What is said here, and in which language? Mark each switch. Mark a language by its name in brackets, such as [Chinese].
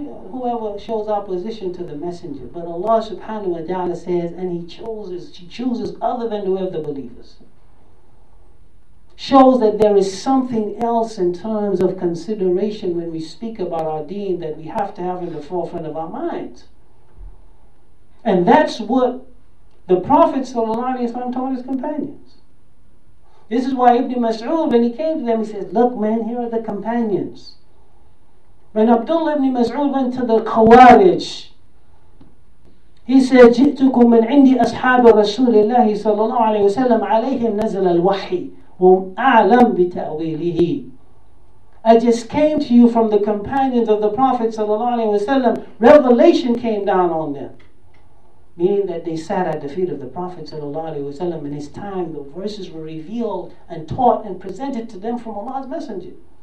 [English] Whoever shows opposition to the Messenger, but Allah subhanahu wa ta'ala says, and he chooses other than the way of the believers, shows that there is something else in terms of consideration when we speak about our deen that we have to have in the forefront of our minds. And that's what the Prophet sallallahu alaihi wasallam taught his companions. This is why Ibn Mas'ud, when he came to them, he said, look man, here are the companions. When Abdullah ibn Mas'ud went to the Khawarij, he said, [Arabic] جِئْتُكُمْ مِنْ عِنْدِ أَصْحَابِ رَسُولِ اللَّهِ صَلَّى اللَّهُ عَلَيْهِ وَسَلَّمَ عَلَيْهِمْ نَزَلَ الْوَحِي وَمْ أَعْلَمْ بِتَأْوِيلِهِ. [English] I just came to you from the companions of the Prophet sallallahu alayhi wa sallam. Revelation came down on them. Meaning that they sat at the feet of the Prophet sallallahu alayhi wa sallam. In his time, the verses were revealed and taught and presented to them from Allah's Messenger.